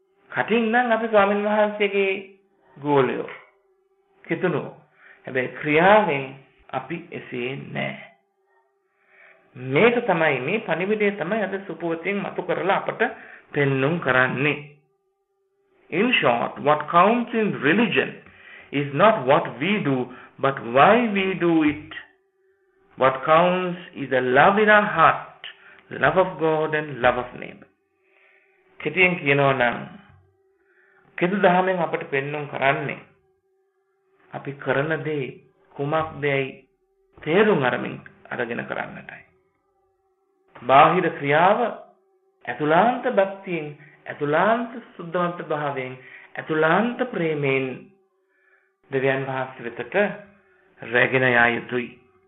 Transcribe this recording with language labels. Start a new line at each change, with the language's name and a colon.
Sinhala: කටින් නම් අපි ස්වාමීන් වහන්සේගේ ගෝලයෝ කිතුනෝ, හැබැයි ක්‍රියාවෙන් අපි එසේ නැහැ. මේක තමයි මේ පණිවිඩය තමයි අද සුපෝතින් මතු කරලා අපට පෙන්නුම් කරන්නේ.
English: In short, what counts in religion is not what we do, but why we do it. What counts is a love in our heart, love of God and love of neighbor.
Sinhala: කෙටියෙන් කියනවා නම් කෙද දහමෙන් අපට පෙන්නුම් කරන්නේ අපි කරන දේ කුමක්ද යයි තේරුම් අරමින් අරගෙන කරන්නටයි. බාහිර ක්‍රියාව ඇතුළාන්ත භක්තියෙන් ඇතුළාන්ත සුද්ධවන්ත භාවයෙන් ඇතුළාන්ත ප්‍රේමයෙන් දෙවියන් වහන්සේ වෙතට රැගෙන යා යුතුයි.